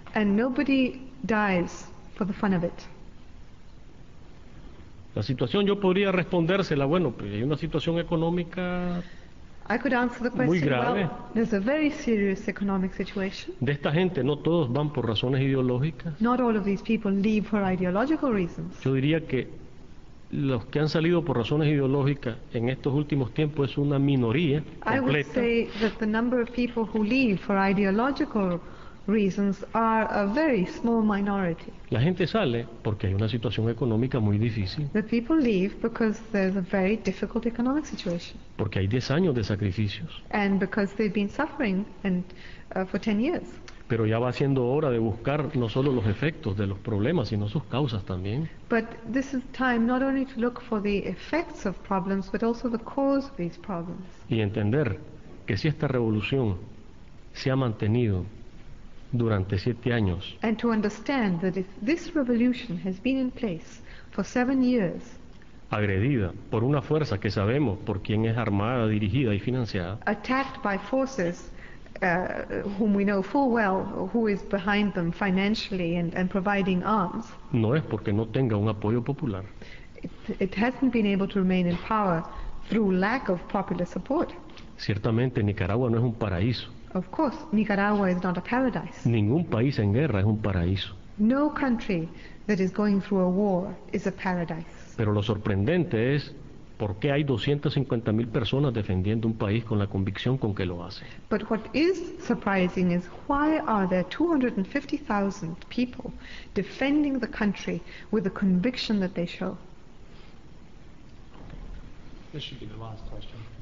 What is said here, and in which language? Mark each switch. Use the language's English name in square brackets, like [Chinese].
[English] And nobody dies for the fun of it. [Spanish] La situación, yo podría respondérsela, bueno, pues hay una situación económica. [English] I could answer the question, well, there's a very serious economic situation. [Spanish] De esta gente, no todos van por razones ideológicas. [English] Not all of these people leave for ideological reasons. [Spanish] Yo diría que los que han salido por razones ideológicas en estos últimos tiempos es una minoría completa. [English] I would say that the number of people who leave for ideological reasons are a very small minority. [Spanish] La gente sale porque hay una situación económica muy difícil. [English] The people leave because there's a very difficult economic situation. [Spanish] Porque hay 10 años de sacrificios. [English] And because they've been suffering and for 10 years. [Spanish] Pero ya va siendo hora de buscar no solo los efectos de los problemas, sino sus causas también. [English] But this is time not only to look for the effects of problems, but also the cause of these problems. [Spanish] Y entender que si esta revolución se ha mantenido durante 7 años. [English] And to understand that if this revolution has been in place for 7 years, [Spanish] agredida por una fuerza que sabemos por quién es armada, dirigida y financiada, [English] attacked by forces whom we know full well who is behind them financially and providing arms, [Spanish] no es porque no tenga un apoyo popular. [English] It hasn't been able to remain in power through lack of popular support. [Spanish] Ciertamente Nicaragua no es un paraíso. [English] Of course, Nicaragua is not a paradise. [Spanish] Ningún país en guerra es un paraíso. [English] No country that is going through a war is a paradise. [Spanish] Pero lo sorprendente es por qué hay 250,000 personas defendiendo un país con la convicción con que lo hace. [English] But what is surprising is why are there 250,000 people defending the country with the conviction that they show? This should be the last question.